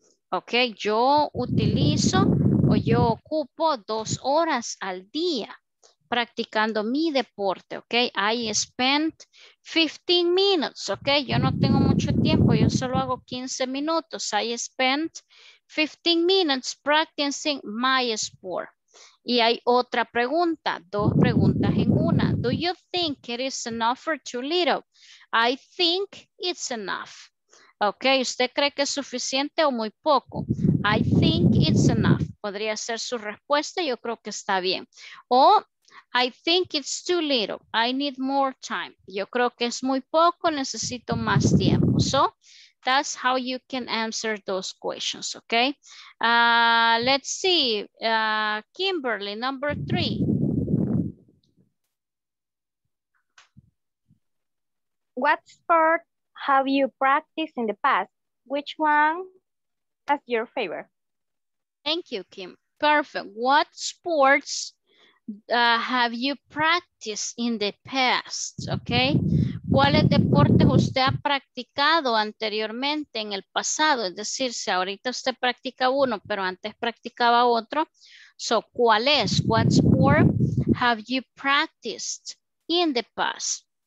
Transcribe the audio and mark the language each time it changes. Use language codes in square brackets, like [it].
[es] Ok, yo utilizo o yo ocupo 2 horas al día practicando mi deporte. [en] Ok, I spent 15 minutes. [es] Ok, yo no tengo mucho tiempo, yo solo hago 15 minutos. [en] I spent 15 minutes practicing my sport. [es] Y hay otra pregunta, dos preguntas en una. [en] Do you think it is enough or too little? I think it's enough. [es] Ok, ¿usted cree que es suficiente o muy poco? [en] I think it's enough. [es] Podría ser su respuesta, yo creo que está bien. O [en] I think it's too little. I need more time. [es] Yo creo que es muy poco, necesito más tiempo. [en] So, that's how you can answer those questions, okay? Let's see, Kimberly, number three. What sport have you practiced in the past? Which one is your favorite? Thank you, Kim. Perfect. What sports have you practiced in the past, okay? [es] ¿Cuáles deportes usted ha practicado anteriormente en el pasado? Es decir, si ahorita usted practica uno, pero antes practicaba otro. So, ¿cuál es? [en] What sport have you practiced in the past?